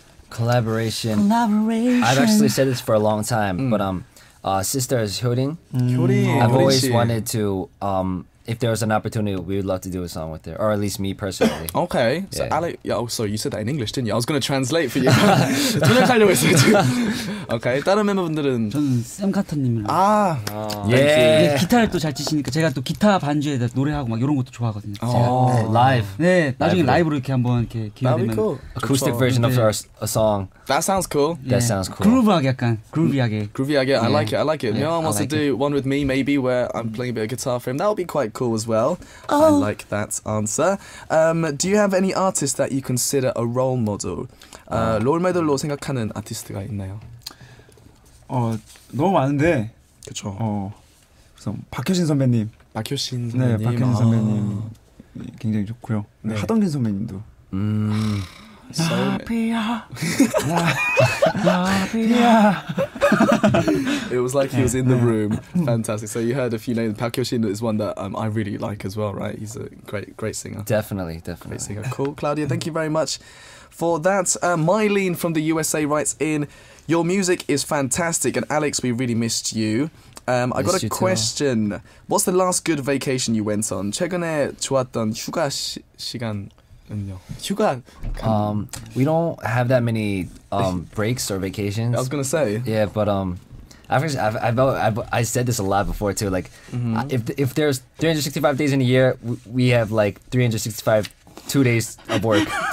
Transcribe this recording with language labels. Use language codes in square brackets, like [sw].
[en] Collaboration. Collaboration. I've actually said this for a long time, but sister is Hyorin. I've always wanted to, if there was an opportunity, we would love to do a song with her, or at least me personally. Okay. Yeah. So, Alec, you said that in English, didn't you? I was going to translate for you. [ko] 전역하려고 했어요, 지금. Okay. 다른 멤버분들은? 저는 샘 카터님이랑. 아, [en] yeah. [ko] 기타를 또 잘 치시니까 제가 또 기타 반주에다 노래하고 막 이런 것도 좋아하거든요. 오, 라이브. 네, 나중에 라이브로 이렇게 한번 이렇게 기회 되면. [en] That'd be cool. Acoustic version of our song. That sounds cool. That sounds cool. [ko] 그루브하게 약간, 그루비하게. [en] 그루비하게, I like it, I like it. Myung wants to do one with me, maybe, where I'm playing a bit of guitar for him. That would be quite cool as well. Oh. I like that answer. Do you have any artists that you consider a role model? [ko] 롤 모델로 생각하는 아티스트가 있나요? 너무 많은데. 그쵸. 우선 박효신 선배님. 박효신 선배님. 네, 박효신 선배님. 굉장히 좋고요. 네. 하동균 선배님도. 나비야. [en] It was like he was in the room. Fantastic. So you heard a few names. Park Hyo-shin is one that I really like as well, right? He's a great singer. Definitely, definitely. Great singer. Cool. Claudia, thank you very much for that. Mylene from the USA writes in, your music is fantastic. And Alex, we really missed you. I got a question. What's the last good vacation you went on? [ko] 최근에 좋았던 휴가 시간. 휴가. [en] We don't have that many breaks or vacations. I was gonna say. Yeah, but I said this a lot before too. Like, if there's 365 days in a year, we have like 365 two days of work.